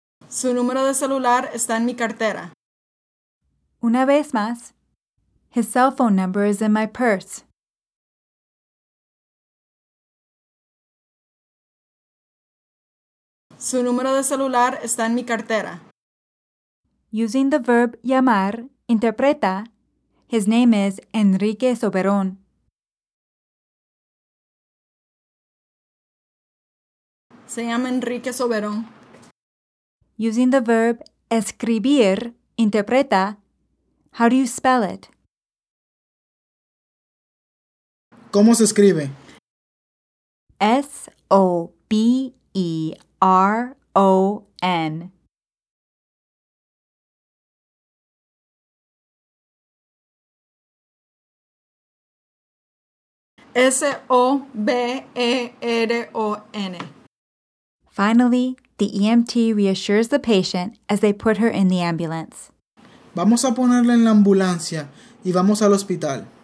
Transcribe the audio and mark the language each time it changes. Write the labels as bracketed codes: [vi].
[es] Su número de celular está en mi cartera. Una vez más. [en] His cell phone number is in my purse. [es] Su número de celular está en mi cartera. [en] Using the verb llamar, interpreta, his name is Enrique Soberón. [es] Se llama Enrique Soberón. [en] Using the verb escribir, interpreta, how do you spell it? [es] ¿Cómo se escribe? S-O-B-E-R-O-N. R-O-N. S-O-B-E-R-O-N. [en] Finally, the EMT reassures the patient as they put her in the ambulance. [es] Vamos a ponerla en la ambulancia y vamos al hospital.